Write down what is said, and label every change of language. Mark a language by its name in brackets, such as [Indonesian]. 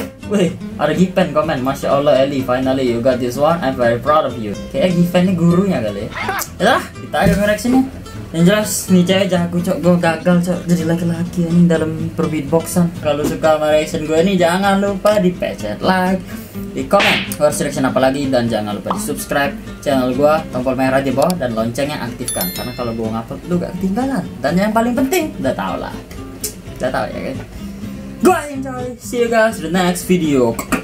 [Indonesian] Wih, ada Gipen komen, [English] Masya Allah Eli, finally you got this one, I'm very proud of you. [Indonesian] Kayaknya Gipen ini gurunya kali ya. Yalah, kita aja reaksinya. Yang jelas nih cewek jago cok, gue gagal cok jadi laki-laki ini dalam perbeatboxan. Kalau suka sama reaction gue ini jangan lupa di pencet like, di komen harus reaction apa lagi dan jangan lupa di subscribe channel gue, tombol merah di bawah dan loncengnya aktifkan karena kalau gue ngupload lu gak ketinggalan. Dan yang paling penting udah tau ya kan. Gue enjoy, [English] see you guys in the next video.